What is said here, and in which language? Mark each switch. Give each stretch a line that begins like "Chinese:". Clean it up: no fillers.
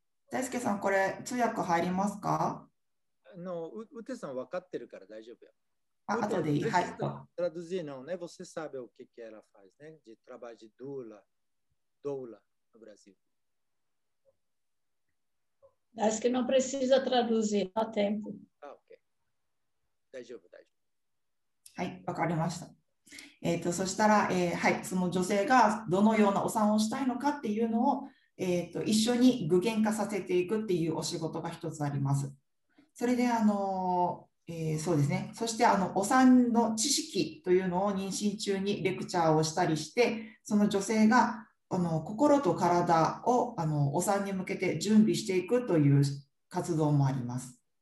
Japanese: 大輔さん、これ通訳入りますか？ No, ウテさん分かってるから大丈夫よ。後でいい。はい。
Portuguese: Traduzir não, né? Você sabe o que que ela faz, né? De trabalho de doula, doula no Brasil. Acho que não precisa traduzir, há tempo.
Japanese: Ah, ok. 大丈夫、大丈夫。はい、分かりました。そしたら、はい、その女性がどのようなお産をしたいのかっていうのを、一緒に具現化させていくっていうお仕事が一つあります。それで、そうですね。そして、お産の知識というのを妊娠中にレクチャーをしたりして、その女性が、心と体を、お産に向けて準備していくという活動もあります。